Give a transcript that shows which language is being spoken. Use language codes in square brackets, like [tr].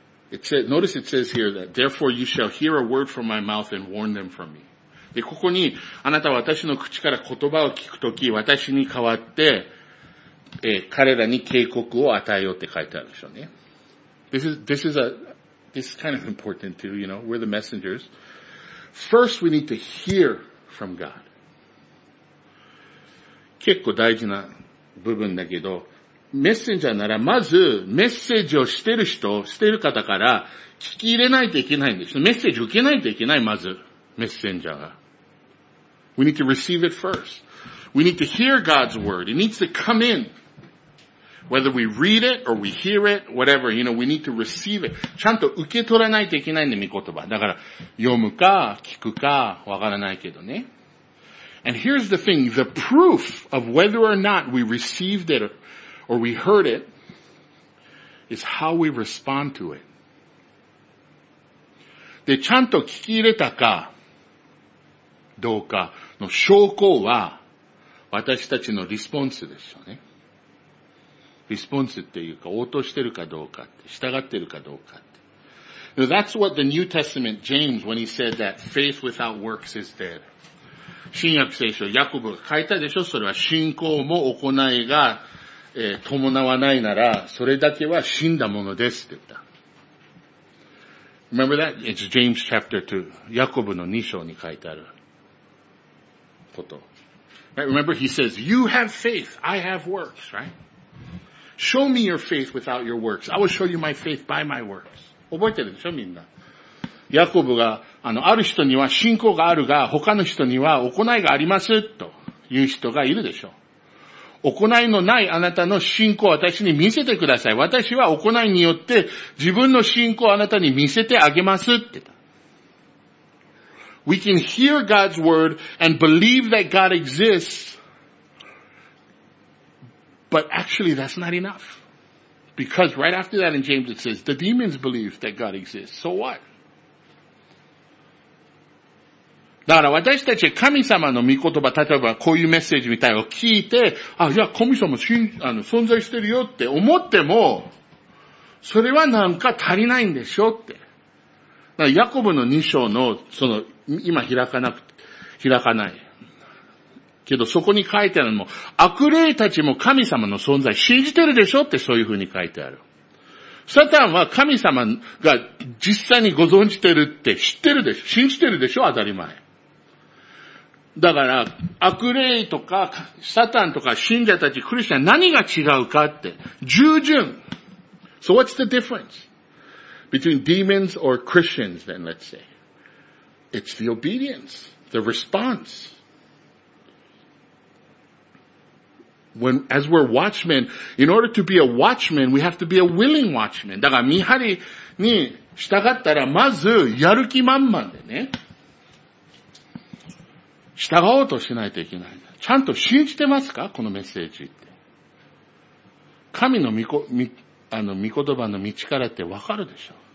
[en] Notice it says here that, therefore you shall hear a word from my mouth and warn them from me. [ja] で、ここに、あなたは私の口から言葉を聞くとき、私に代わって、彼らに警告を与えようって書いてあるでしょうね。 [en] This is kind of important too, you know, we're the messengers. First, we need to hear from God. [ja] 結構大事な部分だけど、メッセンジャーならまずメッセージをしてる人、してる方から聞き入れないといけないんですよ。メッセージ受けないといけない、まず、メッセンジャーが。 [en] We need to receive it first. We need to hear God's word. It needs to come in. Whether we read it or we hear it, whatever, you know, we need to receive it. [ja] ちゃんと受け取らないといけないんで、御言葉。だから、読むか、聞くか、わからないけどね。 [en] And here's the thing, the proof of whether or not we received it or we heard it is how we respond to it. [ja] で、ちゃんと聞き入れたか、どうかの証拠は、私たちのリスポンスですよね。リスポンスっていうか、応答してるかどうかって、従ってるかどうかって。 [en] Now, that's what the New Testament, James, when he said that faith without works is dead. [ja] 新約聖書、ヤコブが書いたでしょ？それは信仰も行いが、伴わないなら、それだけは死んだものですって言った。 [en] Remember that? It's James chapter 2. [ja] ヤコブの2章に書いてあること。 [en] Right? Remember, he says, you have faith, I have works, right? Show me your faith without your works. I will show you my faith by my works. [ja] 覚えてるでしょみんな。ヤコブが、ある人には信仰があるが、他の人には行いがあります、という人がいるでしょ。行いのないあなたの信仰を私に見せてください。私は行いによって自分の信仰をあなたに見せてあげます、って。 [en] We can hear God's word and believe that God exists. But actually, that's not enough. Because right after that in James it says, the demons believe that God exists. So what? [ja] だから私たち神様の御言葉、例えばこういうメッセージみたいを聞いて、あ、いや、神様存在してるよって思っても、それはなんか足りないんでしょって。だからヤコブの2章の、今開かない。けどそこに書いてあるのも、悪霊たちも神様の存在信じてるでしょってそういう風に書いてある。サタンは神様が実際にご存じてるって知ってるでしょ、信じてるでしょ、当たり前。だから、悪霊とか、サタンとか信者たち、クリスチャン何が違うかって、従順。 [en] So what's the difference between demons or Christians then, let's say? It's the obedience, the response. When, as we're watchmen, in order to be a watchman, we have to be a willing watchman. [ja] だから見張りに従ったら、まずやる気満々でね。従おうとしないといけない。ちゃんと信じてますか、このメッセージって。神の御言葉の道からってわかるでしょ。